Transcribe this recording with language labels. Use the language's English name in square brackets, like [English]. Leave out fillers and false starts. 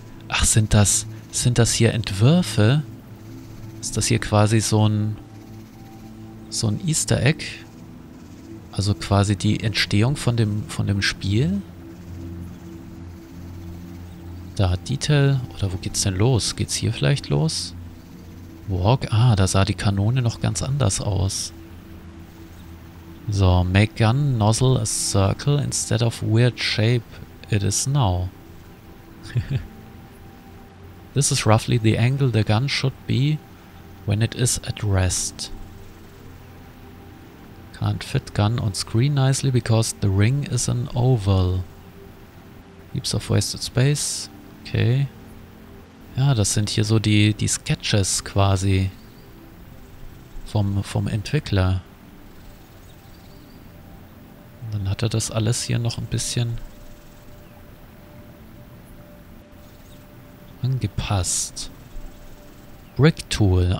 [German] Ach, sind das hier Entwürfe? Ist das hier quasi so ein Easter Egg? Also quasi die Entstehung von dem Spiel? Da hat Detail. Oder wo geht's denn los? Geht's hier vielleicht los? Walk. Ah, da sah die Kanone noch ganz anders aus. [English] So, make gun nozzle a circle instead of weird shape it is now. This is roughly the angle the gun should be when it is at rest. Can't fit gun on screen nicely because the ring is an oval. Heaps of wasted space. Okay. [German] Ja, das sind hier so die Sketches quasi vom Entwickler. Und dann hat er das alles hier noch ein bisschen angepasst. Brick Tool.